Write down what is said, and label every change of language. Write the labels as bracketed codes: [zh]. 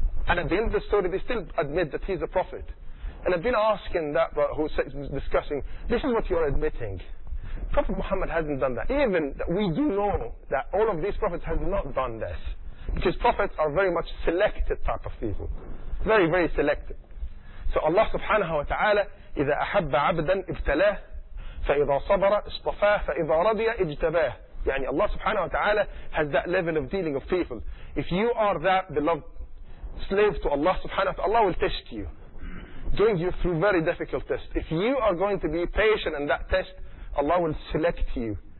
[en] And at the end of the story, they still admit that he's a prophet. And I've been asking that, who's discussing, this is what you're admitting. Prophet Muhammad hasn't done that. Even that we do know that all of these prophets have not done this. Because prophets are very much selected type of people. Very, very selected. So [ar] Allah subhanahu wa ta'ala, إِذَا أَحَبَّ عَبْدًا إِبْتَلَاهُ فَإِذَا صَبَرَ إِصْطَفَاهُ فَإِذَا رَضِيَ إِجْتَبَاهُ. يعني [en] Allah subhanahu wa ta'ala has that level of dealing of people. If you are that beloved slave to Allah subhanahu wa ta'ala, Allah will test you, going you through very difficult tests. If you are going to be patient in that test, Allah will select you.